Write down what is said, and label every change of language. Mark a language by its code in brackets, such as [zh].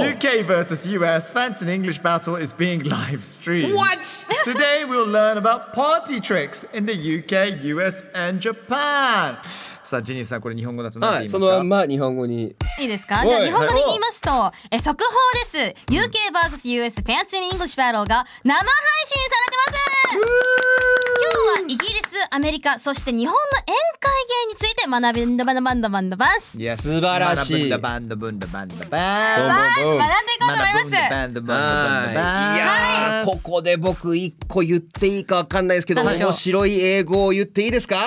[en] UK vs US Fancy an English battle is being live streamed. What? Today we'll learn about party tricks in the UK, US and Japan. [ja] さあジニーさん、これ日本語だと何言いますか？そのまま日本語にいいですか？じゃあ日本語で言いますと、速報です。 UK vs US Fancy an English battle が生配信されてます。今日はイギリス、アメリカ、そして日本の宴会芸について学びんだばんだばんだばんだばんす。素晴らしい。学ぶんだばんだばんだばんだばんす。学んでいこうと思います。学ぶんだばんだばんだばんだばんす。いやー、ここで僕一個言っていいかわかんないですけど、面白い英語を言っていいですか？